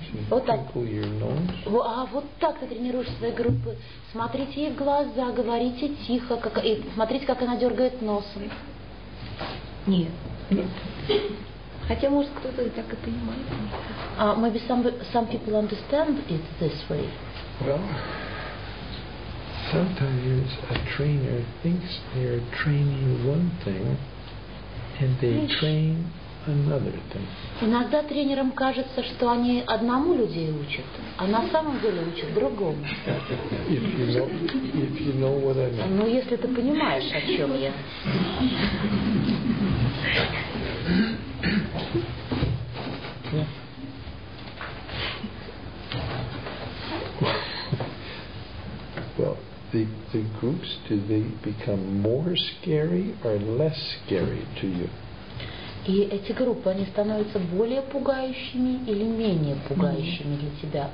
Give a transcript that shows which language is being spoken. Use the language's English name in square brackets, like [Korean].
[Russian] Вот так. А вот так ты тренируешь свою группу. Смотрите ей в глаза, говорите тихо, как, и смотрите, как она дергает носом. Нет. Хотя, может, кто-то и так и понимает. [English] Maybe some people understand it this way. Well, sometimes a trainer thinks they're training one thing, and they train another thing. [Russian] Иногда тренерам кажется, что они одному людей учат, а на самом деле учат другому. [English] If you know what I mean. [Russian] Ну, если ты понимаешь, о чем я. [English] Well, the groups, do they become more scary or less scary to you? [Russian] И эти группы, они становятся более пугающими или менее пугающими для тебя?